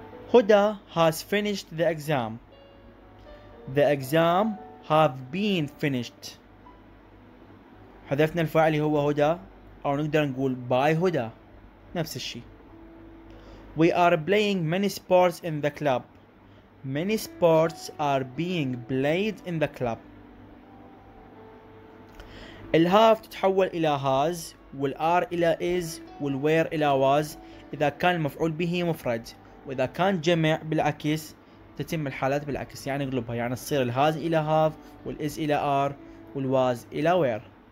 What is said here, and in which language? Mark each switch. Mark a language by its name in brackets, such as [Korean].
[English] Huda has finished the exam. The exam have been finished. [Arabic] حذفنا الفاعل هو هدى، أو نقدر نقول by هدى، نفس الشيء. [English] We are playing many sports in the club. Many sports are being played in the club. [Arabic] ال have تتحول إلى has، وال are إلى is، وال were إلى was إذا كان المفعول به مفرد، وإذا كان جمع بالعكس تتم الحالات بالعكس، يعني اقلبها، يعني تصير ال has إلى have، وال is إلى are، وال was إلى were.